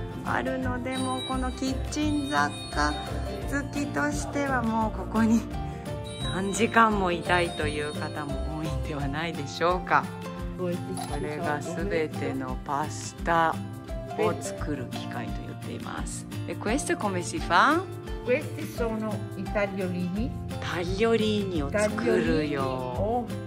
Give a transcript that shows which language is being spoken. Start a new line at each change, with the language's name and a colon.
Japanese: あるので、もうこのキッチン雑貨好きとしてはもうここに何時間もいたいという方も多いんではないでしょうか。これが全てのパスタを作る機械と言っています。
Italian: Questo come si fa? Questi sono i tagliolini.
Japanese: Tagliolini を作るよ。